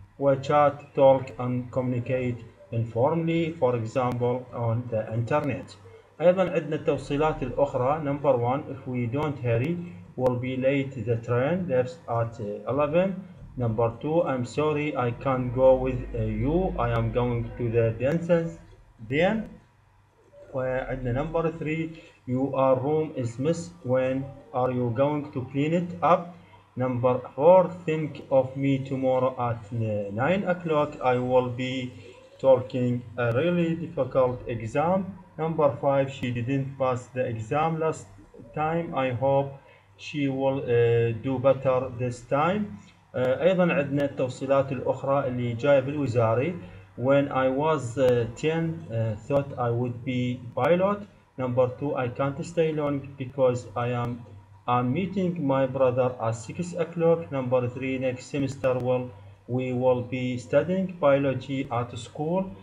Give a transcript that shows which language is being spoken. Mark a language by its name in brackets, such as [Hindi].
[English] وchat, talk and communicate informally, for example on the internet. [Arabic] أيضا عندنا التوصيلات الأخرى. [English] Number one, if we don't hurry, we'll be late. The train leaves at 11. Number two, I'm sorry, I can't go with you. I am going to the dentist then. [Arabic] وعندنا [English] number three, your room is mess. When are you going to clean it up? Number four, think of me tomorrow at 9 o'clock. I will be talking a really difficult exam. Number five, she didn't pass the exam last time. I hope she will do better this time. [Arabic] أيضا عندنا التوصيلات الأخرى اللي جاية بالوزاري. [English] When I was 10, thought I would be pilot. Number two, I can't stay long because I'm meeting my brother at 6 o'clock. Number three, next semester we will be studying biology at school.